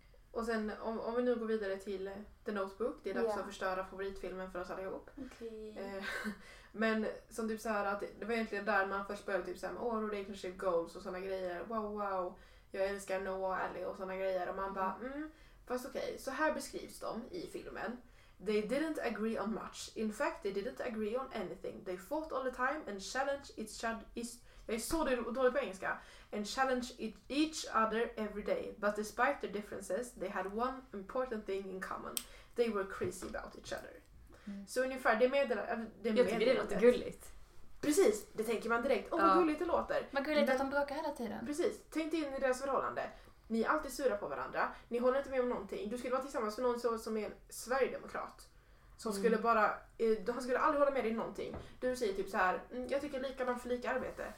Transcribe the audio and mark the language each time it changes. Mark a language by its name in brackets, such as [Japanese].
[Swedish] Och sen, om vi nu går vidare till The Notebook, det är dags att förstöra favoritfilmen för oss allihop. [English] Okay. [Swedish] Men som typ såhär, att det var egentligen där man först började typ såhär, åh, relationship goals och såna grejer. Wow, jag älskar Noah och Ellie och såna grejer. Och man bara, fast okej, okay. Så här beskrivs de i filmen. [English] They didn't agree on much. In fact, they didn't agree on anything. They fought all the time and challenged each other. [Swedish] Jag är så dålig på engelska. [English] And challenge each other every day. But despite their differences, they had one important thing in common. They were crazy about each other. Mm. [Swedish] Så ungefär, det meddelandet. Jag tycker det låter gulligt. Precis, det tänker man direkt. Åh, vad gulligt det låter. Men gulligt att de bråkar hela tiden. Precis, tänk dig in i deras förhållande. Ni är alltid sura på varandra. Ni håller inte med om någonting. Du skulle vara tillsammans med någon som är en sverigedemokrat. Som skulle bara, han skulle aldrig hålla med dig någonting. Du säger typ så här, jag tycker likadant för lika arbete.